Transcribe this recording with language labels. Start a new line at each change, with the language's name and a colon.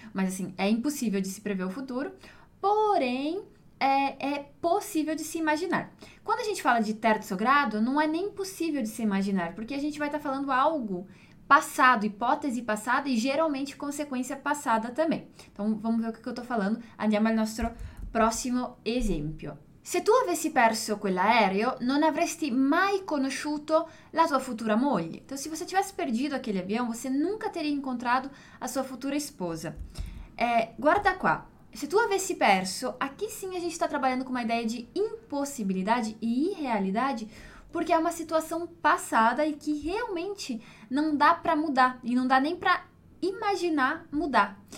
Portuguese: Mas assim, é impossível de se prever o futuro, porém é possível de se imaginar. Quando a gente fala de terçogrado, não é nem possível de se imaginar, porque a gente vai estar falando algo passado, hipótese passada e geralmente consequência passada também. Então vamos ver o que eu estou falando.
Italian: Andiamo al nostro prossimo esempio. Se tu avessi perso quell'aereo, non avresti mai conosciuto la tua futura moglie.
Portuguese: Então, se você tivesse perdido aquele avião, você nunca teria incontrado a sua futura esposa.
Italian: Guarda qua. Se tu avessi perso,
Portuguese: aqui sim a gente está trabalhando com uma ideia de impossibilidade e irrealidade, porque é uma situação passada e que realmente não dá para mudar e não dá nem para imaginar mudar.